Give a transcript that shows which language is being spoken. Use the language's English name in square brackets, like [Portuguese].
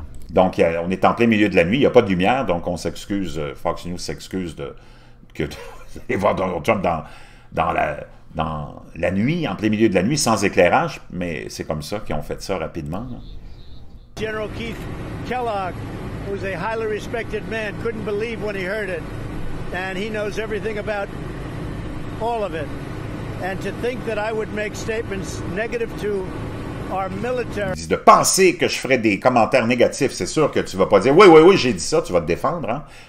[French] Donc, on est en plein milieu de la nuit, il n'y a pas de lumière, donc on s'excuse, Fox News s'excuse de voir Donald Trump dans la nuit, en plein milieu de la nuit, sans éclairage, mais c'est comme ça qu'ils ont fait ça rapidement. [English] General Keith Kellogg, who's a highly respected man, couldn't believe when he heard it. And he knows everything about all of it. And to think that I would make statements negative to our military. [French] De penser que je ferais des commentaires négatifs, c'est sûr que tu vas pas dire oui, j'ai dit ça, tu vas te défendre, hein?